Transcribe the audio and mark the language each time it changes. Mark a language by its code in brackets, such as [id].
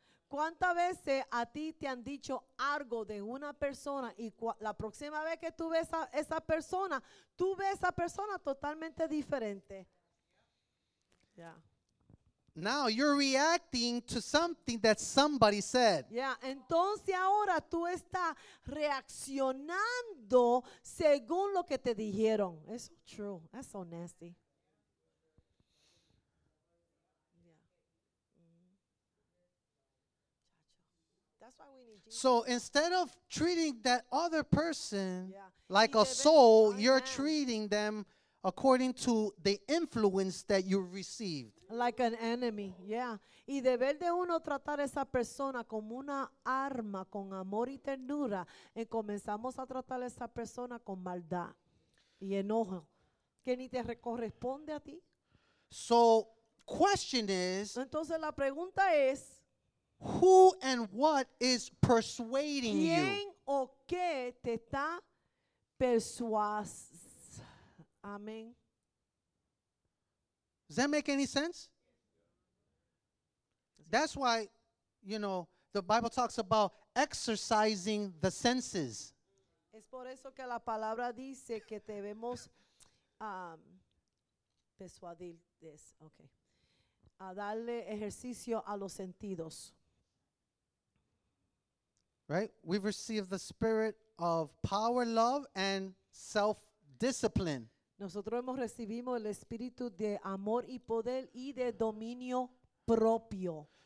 [es] ¿Cuántas veces a ti te han dicho algo de una persona y la próxima vez que tú ves a esa persona, tú ves a esa persona totalmente diferente? [en] Yeah. Now you're reacting to something that somebody said. [es] Yeah, entonces ahora tú estás reaccionando según lo que te dijeron. [en] It's so true. That's so nasty. Yeah. That's why we need Jesus. So instead of treating that other person like a soul, you're treating them according to the influence that you received. Like an enemy, yeah. [es] Y deber de uno tratar a esa persona como una arma, con amor y ternura, y comenzamos a tratar a esa persona con maldad y enojo, que ni te corresponde a ti. [en] So, question is, [es] entonces la pregunta es, [en] who and what is persuading you? [es] ¿Quién o qué te está persuadiendo? Amen. [en] Does that make any sense? That's why, you know, the Bible talks about exercising the senses. [es] Es por eso que la palabra dice que debemos persuadir [en] this. Okay. [es] A darle ejercicio a los sentidos. [en] Right? We've received the spirit of power, love, and self-discipline. [es] Nosotros hemos recibido el espíritu de amor y poder y de dominio propio.